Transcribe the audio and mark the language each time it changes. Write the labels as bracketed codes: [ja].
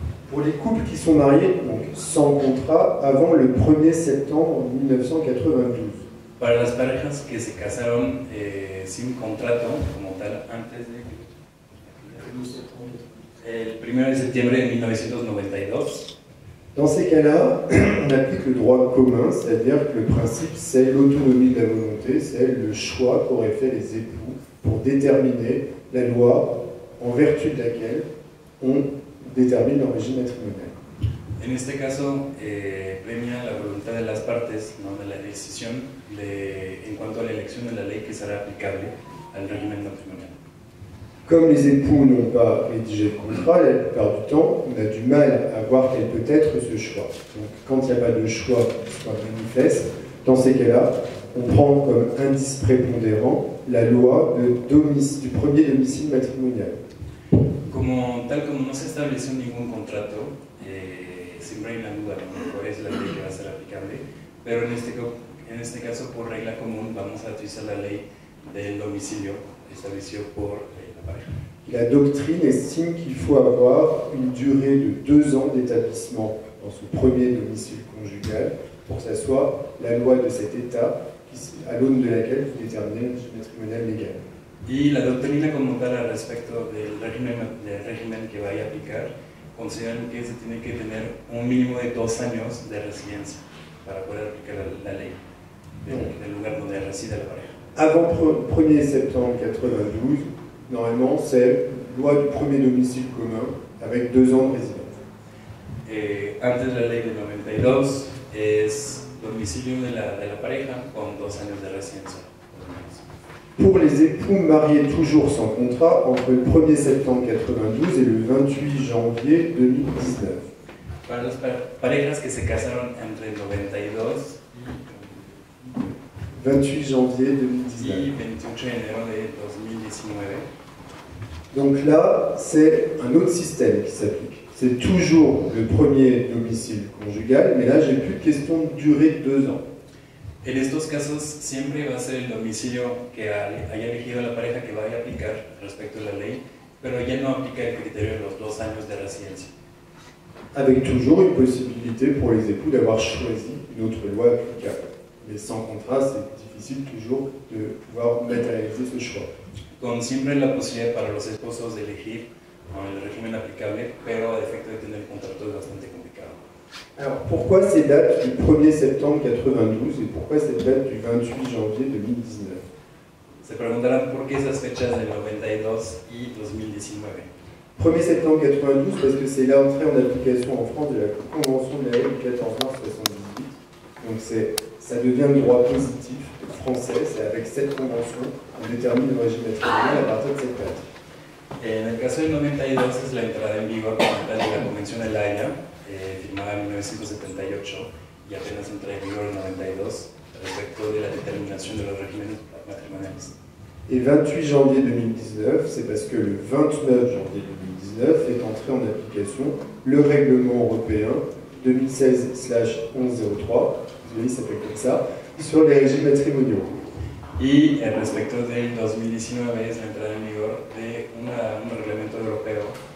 [fr] Pour les couples qui sont mariés, donc sans contrat, avant le 1er septembre 1992. [es] Para las parejas que se casaron sin contrato, como tal, antes de... El 1er de septiembre de 1992. [fr] Dans ces cas-là, on applique le droit commun, c'est-à-dire que le principe, c'est l'autonomie de la volonté, c'est le choix qu'auraient fait les époux pour déterminer la loi en vertu de laquelle on détermine le régime matrimonial. [es] En este caso, premia la voluntad de las partes, no de la decisión, en cuanto a la elección de la ley que será aplicable al régimen matrimonial. [fr] Comme les époux n'ont pas rédigé le contrat, la plupart du temps, on a du mal à voir quel peut être ce choix. Donc, quand il n'y a pas de choix soit manifeste, dans ces cas-là, on prend comme indice prépondérant la loi du premier domicile matrimonial. [es] Como tal como no se estableció ningún contrato, siempre hay una duda, ¿no? ¿Cuál es la ley que va a ser aplicable? Pero en este caso, por regla común, vamos a utilizar la ley del domicilio establecido por la pareja. [fr] La doctrine estime qu'il faut avoir une durée de 2 ans d'établissement dans ce premier domicile conjugal pour que ça soit la loi de cet État à l'aune de laquelle vous déterminez le matrimonial légal. [es] Y la doctrina como tal al respecto del régimen que vaya a aplicar consideran que se tiene que tener un mínimo de 2 años de residencia para poder aplicar la ley del lugar donde reside la pareja. [fr] Avant 1er septembre 92, normalement, c'est loi du premier domicile commun avec 2 ans de résidence. [es] Antes de la ley de 92, es domicilio de la pareja con 2 años de residencia. [fr] Pour les époux mariés toujours sans contrat entre le 1er septembre 92 et le 28 janvier 2019. [es] Para las parejas que se casaron entre 92 [fr] 28 janvier 2019. [es] Y 28 de enero de 2019. [fr] Donc là, c'est un autre système qui s'applique. C'est toujours le premier domicile conjugal, mais là, j'ai plus de question de durée de 2 ans. [es] En estos casos, siempre va a ser el domicilio que haya elegido la pareja que vaya a aplicar respecto a la ley, pero ya no aplica el criterio de los 2 años de residencia. [fr] Avec toujours une possibilité pour les époux d'avoir choisi une autre loi applicable. Mais sans contrat, c'est difficile toujours de pouvoir matérialiser ce choix. [es] Con siempre la posibilidad para los esposos de elegir el régimen aplicable, pero a efecto de tener contrato es bastante complicado. [fr] Alors, pourquoi ces dates du 1er septembre 92 et pourquoi cette date du 28 janvier 2019? [es] Se preguntarán por qué esas fechas del 92 y 2019. [fr] 1er septembre 92, parce que c'est l'entrée en application en France de la Convention de la Haye du 14 mars 78. Donc ça devient le droit positif français, c'est avec cette convention qu'on détermine le régime matrimonial à partir de cette date. [es] En el caso del 92, es la entrada en vigor de la Convention de la Haye, firmada en 1978, y apenas entra en vigor en 92, respecto de la determinación de los regímenes matrimoniales. [fr] Et 28 janvier 2019, c'est parce que le 29 janvier 2019 est entré en application le règlement européen 2016/1103, vous voyez, ça s'appelle comme ça, sur les régimes matrimoniaux. [es] Et respecto de 2019, es la entrada en vigor de un reglamento europeo.